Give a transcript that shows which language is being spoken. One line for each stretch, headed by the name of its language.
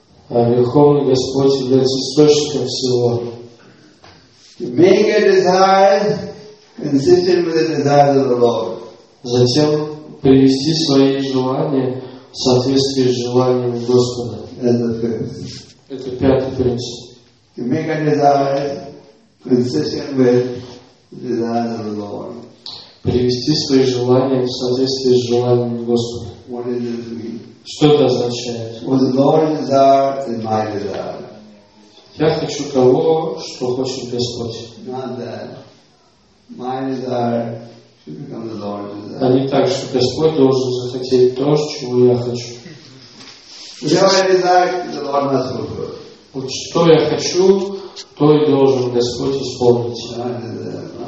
Russian: А Верховный Господь является источником всего.
English: To make a desire consistent with the desires of the Lord.
Russian: Затем привести свои желания в соответствии с желаниями Господа. Это пятый принцип.
English: To make a desire consistent with the desires of the Lord.
Russian: Привести свои желания в соответствии с желаниями Господа.
English: What does this mean?
Russian: Что это означает?
English: What the Lord desires is my desire.
Russian: Я хочу того, что хочет Господь.
English: Not that my desire should become the Lord's desire.
Russian: А не так, что Господь должен захотеть то, чего я хочу.
English: Whatever I desire, the Lord must fulfill.
Russian: Вот что я хочу, то и должен Господь исполнить.